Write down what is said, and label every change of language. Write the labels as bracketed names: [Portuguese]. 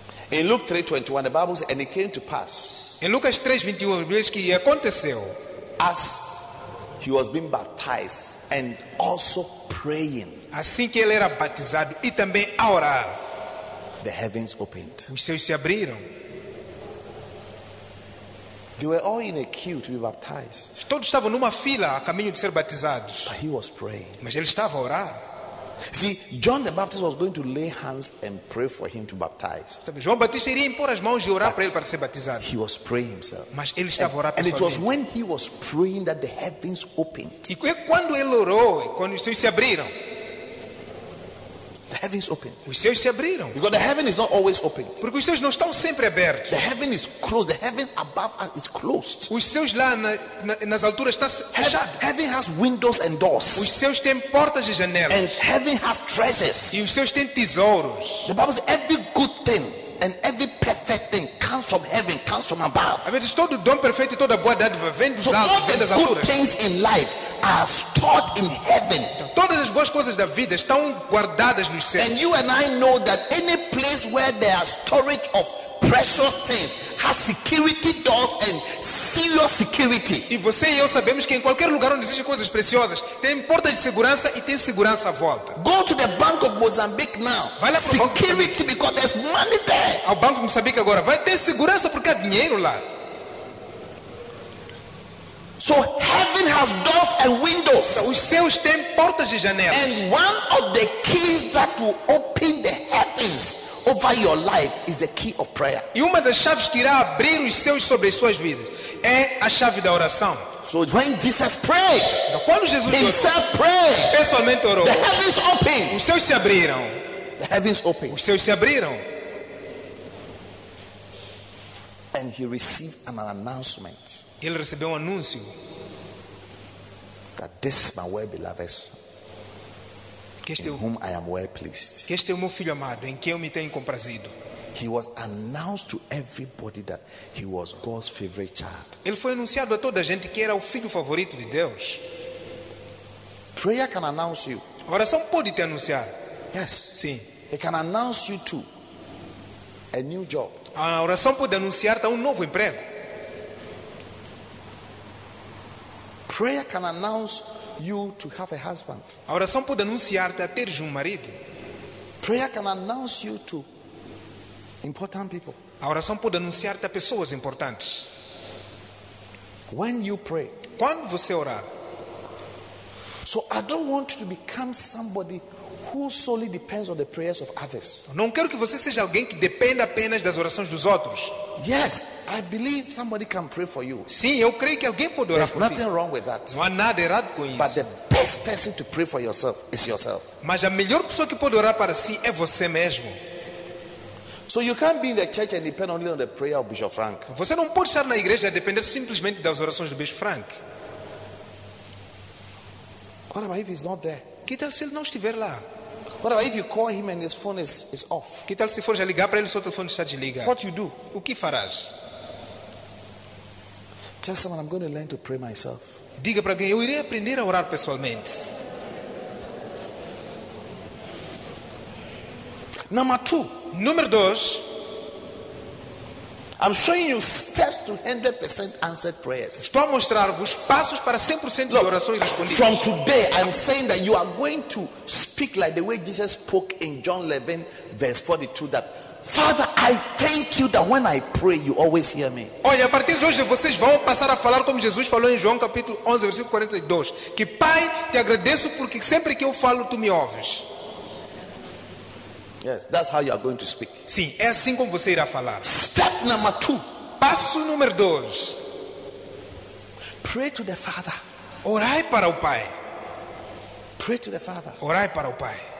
[English] In Luke 3:21, the Bible says, and it came to pass. [Portuguese] Em Lucas 3:21, diz que aconteceu. [English] As he was being baptized and also praying. [Portuguese] Assim que ele era batizado e também a orar. [English] The heavens opened. [Portuguese] Os céus se abriram. [English] They were all in a queue to be baptized. [Portuguese] Todos estavam numa fila a caminho de ser batizados. [English] But he was praying. [Portuguese] Mas ele estava a orar. [English] See, John the Baptist was going to lay hands and pray for him to be baptized. [Portuguese] João Batista iria impor as mãos e orar para ele para ser batizado. [English] He was praying himself. [Portuguese] Mas ele estava a orar pessoalmente. [English] And it was when he was praying that the heavens opened. [Portuguese] E quando ele orou, quando os céus se abriram. [English] The heavens opened. [Portuguese] Os céus se abriram. [English] Because the heaven is not always open. [Portuguese] Porque os céus não estão sempre abertos. [English] The heaven is closed. The heaven above us is closed. [Portuguese] Os céus lá nas alturas está fechado. [English] Heaven has windows and doors. [Portuguese] Os céus têm portas e janelas. [English] And heaven has treasures. [Portuguese] E os céus têm tesouros. [English] The Bible says every good thing and every perfect thing comes from heaven, comes from above. So all the good things in life are stored in heaven. [Portuguese] Todas as boas coisas da vida estão guardadas nos céus. [English] And you and I know that any place where there are storage of precious things has security doors and serious security. [Portuguese] E você e eu sabemos que em qualquer lugar onde existem coisas preciosas, tem portas de segurança e tem segurança à volta. [English] Go to the Bank of Mozambique now. [Portuguese] Vai lá para o Banco Moçambique. [English] Security because there's money there. [Portuguese] Ao Banco Moçambique agora. Vai ter segurança porque há dinheiro lá. [English] So heaven has doors and windows. [Portuguese] Os céus têm portas e janelas. [English] And one of the keys that will open the heavens over your life is the key of prayer. [Portuguese] E uma das chaves que irá abrir os céus sobre as suas vidas é a chave da oração. [English] So when Jesus prayed, [Portuguese] quando Jesus [English] himself prayed, [Portuguese] pessoalmente orou, [English] the heavens opened. [Portuguese] Os céus se abriram. [English] The heavens opened. [Portuguese] Os céus se abriram. [English] And he received an announcement. [Portuguese] Ele recebeu um anúncio. [English] That this is my well beloved. Whom I am well pleased. [Portuguese] Que este é o meu filho amado, em quem eu me tenho comprazido. [English] He was announced to everybody that he was God's favorite child. [Portuguese] Ele foi anunciado a toda a gente que era o filho favorito de Deus. [English] Prayer can announce you. [Portuguese] A oração pode te anunciar. [English] Yes. [Portuguese] Sim. [English] It can announce you to a new job. [Portuguese] A oração pode anunciar-te a novo emprego. [English] Prayer can announce you to have a husband. [Portuguese] A oração pode anunciar-te a teres marido. [English] Prayer can announce you to important people. [Portuguese] A oração pode anunciar-te a pessoas importantes. [English] When you pray, [Portuguese] quando você orar. [English] So I don't want you to become somebody who solely depends on the prayers of others. [Portuguese] Não quero que você seja alguém que dependa apenas das orações dos outros. [English] Yes, I believe somebody can pray for you. [Portuguese] Sim, eu creio que alguém pode orar [English] There's [Portuguese] por [English] nothing [Portuguese] ti. [English] Wrong with that. [Portuguese] Não há nada errado com isso. [English] But the best person to pray for yourself is yourself. [Portuguese] Mas a melhor pessoa que pode orar para si é você mesmo. [English] So you can't be in the church and depend only on the prayer of Bishop Frank. [Portuguese] Você não pode estar na igreja e depender simplesmente das orações do Bishop Frank. [English] What about if he's not there? [Portuguese] Que tal se ele não estiver lá? [English] What about if you call him and his phone is off? [Portuguese] Que tal se for já ligar para ele, seu telefone está desligado? [English] What you do? [Portuguese] O que farás? [English] Tell someone I'm going to learn to pray myself. [Portuguese] Diga para alguém, eu irei aprender a orar pessoalmente. [English] Number two. [Portuguese] Número dois. [English] I'm showing you steps to 100% answered prayers. [Portuguese] Estou a mostrar-vos passos para 100% de orações respondidas. [English] From today, I'm saying that you are going to speak like the way Jesus spoke in John 11, verse 42, that Father, I thank you that when I pray, you always hear me. [Portuguese] Olha, a partir de hoje vocês vão passar a falar como Jesus falou em João capítulo 11, versículo 42, que Pai, te agradeço porque sempre que eu falo tu me ouves. [English] Yes, that's how you are going to speak. [Portuguese] Sim, é assim como você irá falar. [English] Step number 2. [Portuguese] Passo número 2. [English] Pray to the Father. [Portuguese] Orai para o Pai. [English] Pray to the Father. [Portuguese] Orai para o Pai.